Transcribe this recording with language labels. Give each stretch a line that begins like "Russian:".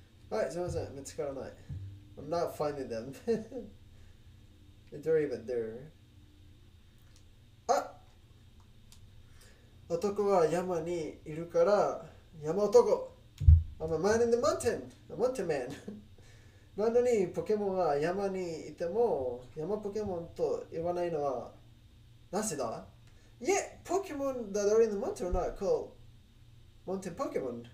Japanese: はい、すみません、見つからない。
English: I'm not finding them. They're even there.
Japanese: あっ！男は山にいるから、山男！
English: I'm a man in the mountain, a mountain man.
Japanese: なのにポケモンは山にいても山ポケモンと言わないのはなぜだ？
English: Yeah, Pokemon that are in the mountain are not called mountain Pokemon.